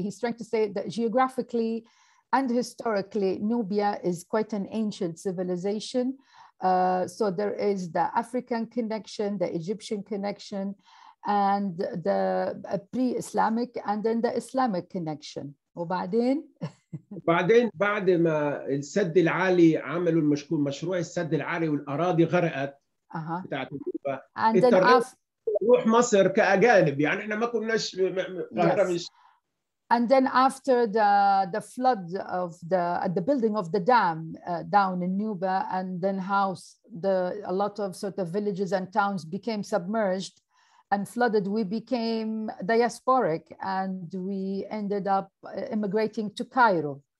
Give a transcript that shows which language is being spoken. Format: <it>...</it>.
<en>He's trying to say that geographically and historically, Nubia is quite an ancient civilization. So there is the African connection, the Egyptian connection, and the pre-Islamic, and then the Islamic connection.</en> <ar>وبعدين بعدين بعد ما السد العالي عملوا المشكور مشروع السد العالي والأراضي غرقت بتاعت النوبة روح مصر كأجانب، يعني إحنا ما كناش غرقناش.</ar> <en>And then after the flood of the building of the dam down in Nuba, and then how a lot of sort of villages and towns became submerged and flooded, we became diasporic and we ended up immigrating to Cairo.</en>